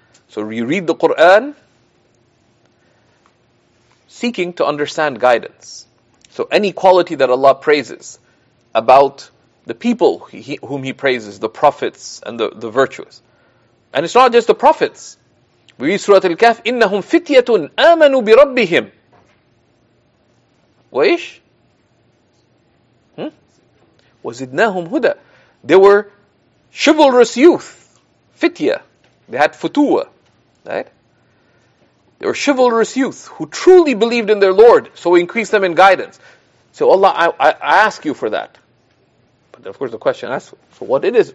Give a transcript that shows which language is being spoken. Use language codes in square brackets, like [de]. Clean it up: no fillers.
[en] So you read the Qur'an, seeking to understand guidance. So any quality that Allah praises about the people whom He praises, the prophets and the virtuous. And it's not just the prophets. We read Surah Al-Kahf, [ar] إِنَّهُمْ فِتْيَةٌ آمَنُوا بِرَبِّهِمْ وَإِشْ وَزِدْنَاهُمْ هُدَى. [en] They were chivalrous youth. Fitya. They had futuwa. Right? They were chivalrous youth who truly believed in their Lord. So we increased them in guidance. So Allah, I ask you for that. But of course the question asks, so what it is?